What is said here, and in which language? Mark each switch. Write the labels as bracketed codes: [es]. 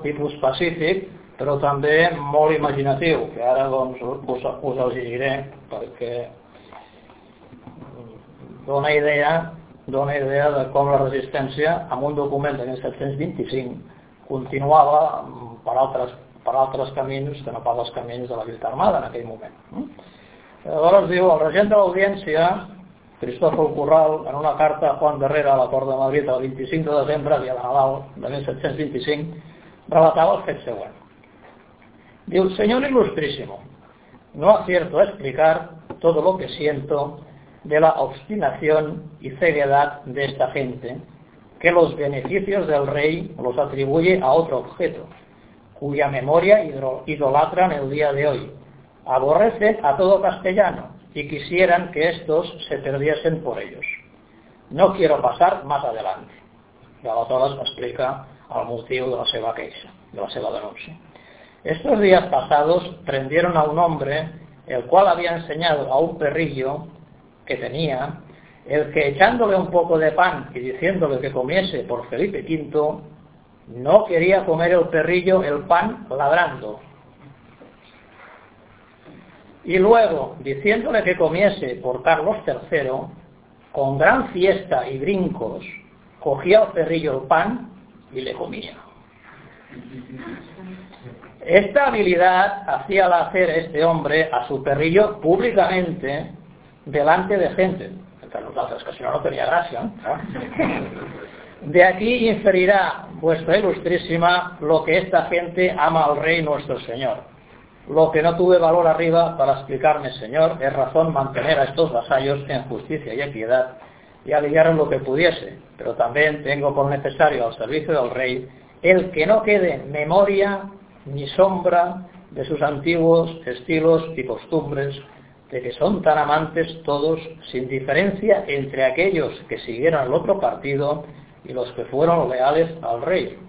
[ca] Tipus pacífic, però també molt imaginatiu, que ara doncs, us els diré, perquè dona idea de com la resistència, amb un document de 1725, continuava per altres camins que no pas els camins de la lluita armada en aquell moment. Aleshores diu, el regent de l'Audiència, Cristòfol Corral, en una carta a Juan Herrera a la Cort de Madrid el 25 de desembre, dia de Nadal de 1725, relatava el fet següent. [es] Diu, Señor Ilustrísimo, no acierto a explicar todo lo que siento de la obstinación y ceguedad de esta gente, que los beneficios del rey los atribuye a otro objeto, cuya memoria idolatran el día de hoy. Aborrecen a todo castellano y quisieran que estos se perdiesen por ellos. No quiero pasar más adelante. [ca] Y aleshores explica el motiu de la seva queixa, de la seva denúncia. [es] Estos días pasados prendieron a un hombre, el cual había enseñado a un perrillo que tenía, el que echándole un poco de pan y diciéndole que comiese por Felipe V, no quería comer el perrillo el pan ladrando. Y luego, diciéndole que comiese por Carlos III, con gran fiesta y brincos, cogía al perrillo el pan y le comía. Esta habilidad hacíala hacer este hombre a su perrillo públicamente delante de gente. [ca] Nosaltres, que si no, no tenia gràcia. [es] De aquí inferirá vuestra ilustrísima lo que esta gente ama al rey nuestro señor. Lo que no tuve valor arriba para explicarme, señor, es razón mantener a estos vasallos en justicia y equidad y aliviaron lo que pudiese, pero también tengo por necesario al servicio del rey el que no quede memoria ni sombra de sus antiguos estilos y costumbres, de que son tan amantes todos, sin diferencia entre aquellos que siguieron el otro partido y los que fueron leales al rey.